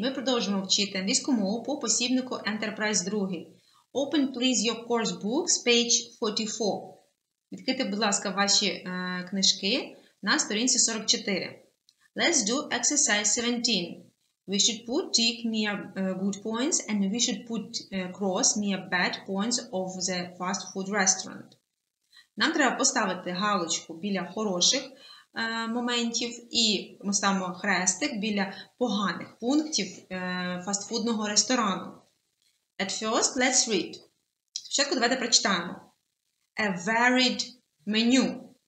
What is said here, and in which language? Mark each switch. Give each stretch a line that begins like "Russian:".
Ukrainian: Ми продовжуємо вчити англійську мову по посібнику Enterprise 2.
English: Open, please, your course books, page 44.
Ukrainian: Відкрите, будь ласка, ваші книжки на сторінці 44.
English: Let's do exercise 17. We should put tick near good points and we should put cross near bad points of the fast food restaurant.
Ukrainian: Нам треба поставити галочку біля хороших моментів і ми ставимо хрестик біля поганих пунктів фастфудного ресторану.
English: At first, let's read.
Ukrainian: Спочатку давайте прочитаємо.
English: A varied menu.